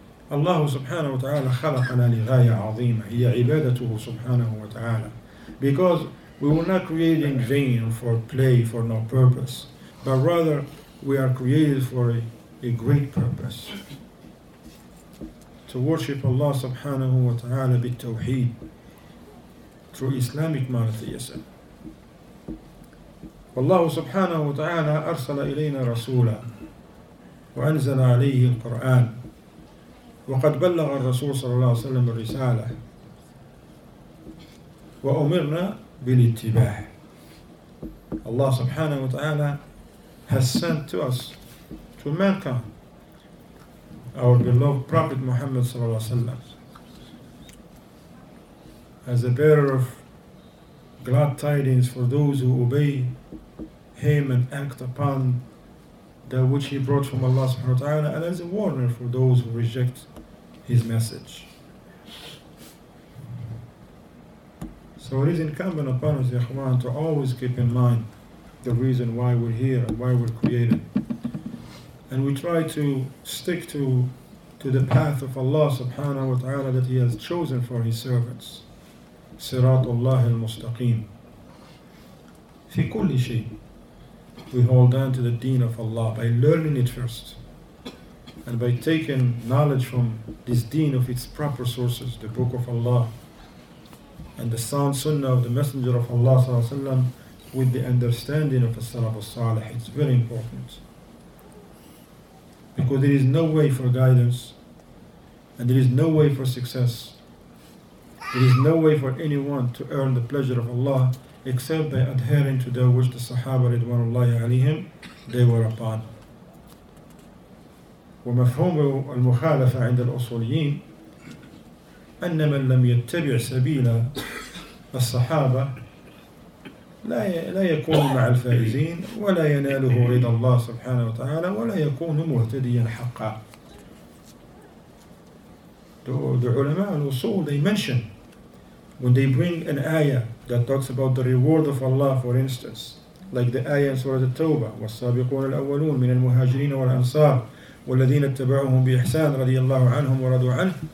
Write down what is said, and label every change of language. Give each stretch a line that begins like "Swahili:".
Arabic: Allah subhanahu wa ta'ala خَلَقَنَا لِغَايَةٍ عَظِيمَةٍ هِيَ عِبَادَتُهُ سُبْحَانَهُ وَتَعَالَى.
English: Because we were not created in vain for play, for no purpose, but rather we are created for a great purpose. To worship Allah subhanahu wa ta'ala بِالتَّوْحِيدِ through Islamic monotheism.
Arabic: والله سبحانه وتعالى أرسل إلينا رسولا وأنزل عليه القرآن وقد بلغ الرسول صلى الله عليه وسلم الرسالة وأمرنا بالاتباع.
English: الله سبحانه وتعالى has sent to us, to mankind, our beloved Prophet Muhammad صلى الله عليه وسلم as a bearer of glad tidings for those who obey him and act upon that which he brought from Allah subhanahu wa ta'ala, and as a warner for those who reject his message. So it is incumbent upon us, Ikhwan, to always keep in mind the reason why we're here and why we're created. And we try to stick to the path of Allah subhanahu wa ta'ala that he has chosen for his servants.
Arabic: صراط الله المستقيم في كل شيء.
English: We hold on to the deen of Allah by learning it first and by taking knowledge from this deen of its proper sources, the book of Allah and the sound sunnah of the Messenger of Allah صلى الله عليه وسلم, with the understanding of As-Salaf As-Salih. It's very important because there is no way for guidance and there is no way for success. There is no way for anyone to earn the pleasure of Allah except by adhering to that which the Sahaba Ridwanullahi alayhim, they were upon.
Arabic: ومفهوم المخالفة عند الأصوليين أن من لم يتبع سبيل الصحابة لا يكون مع الفائزين ولا يناله رضا الله سبحانه وتعالى ولا يكون مهتديا حقا.
English: The علماء الأصول, they mention, when they bring an ayah that talks about the reward of Allah, for instance, like the ayah in Surah At-Tawbah,
Arabic: وَالسَّابِقُونَ الْأَوَّلُونَ مِنَ الْمُهَاجِرِينَ وَالْأَنصَارِ وَالَّذِينَ اتَّبَعُهُمْ بِإِحْسَانٍ رَضِيَ اللَّهُ عَنْهُمْ وَرَضُوا عَنْهُ.